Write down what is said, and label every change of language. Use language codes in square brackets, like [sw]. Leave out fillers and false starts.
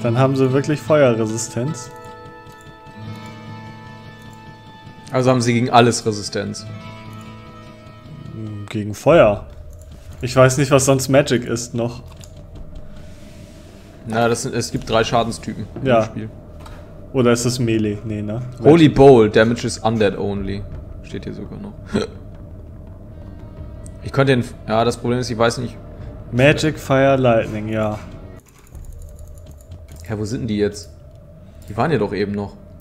[de] Dann haben sie wirklich Feuerresistenz. Also haben sie gegen alles Resistenz. Gegen Feuer. Ich weiß nicht, was sonst Magic ist noch. Na, es gibt drei Schadenstypen ja. Im Spiel. Oder ist es Melee? Nee, ne? [en] Holy Bowl, Damage is Undead Only. [de] Steht hier sogar noch. Ich könnte den. Ja, das Problem ist, ich weiß nicht. Magic, Fire, Lightning, ja. Ja, wo sind die jetzt? Die waren ja doch eben noch.